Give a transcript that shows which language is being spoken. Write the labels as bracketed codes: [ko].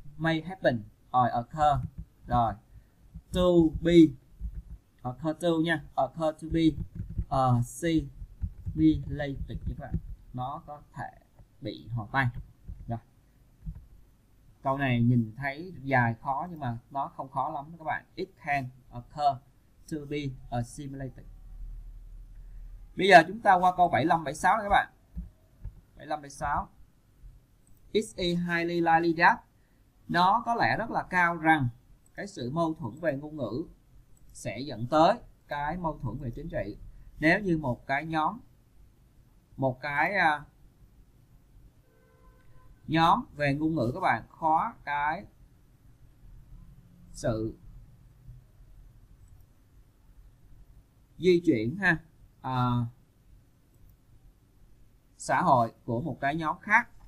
[en] may happen or occur. Rồi, to be, occur to nha, occur to be, see, be related các bạn. [vi] Nó có thể bị hò tay. Rồi, câu này nhìn thấy dài khó nhưng mà nó không khó lắm các bạn. [en] It can occur to be assimilated. [vi] Bây giờ chúng ta qua câu 75-76 các bạn. 75-76. [en] Is it highly likely that? [vi] Nó có lẽ rất là cao rằng cái sự mâu thuẫn về ngôn ngữ sẽ dẫn tới cái mâu thuẫn về chính trị. Nếu như một cái nhóm, nhóm về ngôn ngữ các bạn khóa cái sự di chuyển ha, xã hội của một cái nhóm khác.